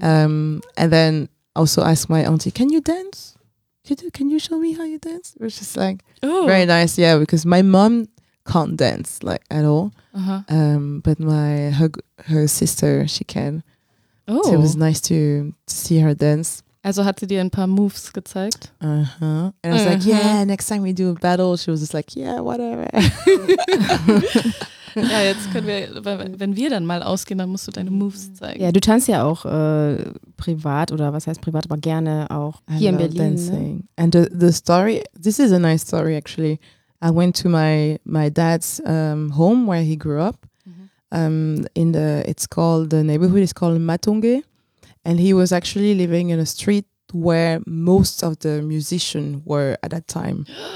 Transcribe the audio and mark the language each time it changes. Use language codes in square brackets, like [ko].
[en] And then also asked my auntie, can you dance? Can you show me how you dance? It was just like, ooh, very nice. Yeah, because my mom can't dance like at all. Uh-huh. But her sister, she can. Oh. So it was nice to see her dance. [de] Also hat sie dir ein paar Moves gezeigt? [en] Uh-huh. And I was like, yeah, next time we do a battle. She was just like, yeah, whatever. [de] Ja, jetzt können wir, wenn wir dann mal ausgehen, dann musst du deine Moves zeigen. Ja, du tanzt ja auch privat oder was heißt privat, aber gerne auch hier in Berlin. [en] Dancing. Ne? And the story, this is a nice story actually. I went to my dad's home where he grew up. The neighborhood is called Matonge, and he was actually living in a street where most of the musicians were at that time.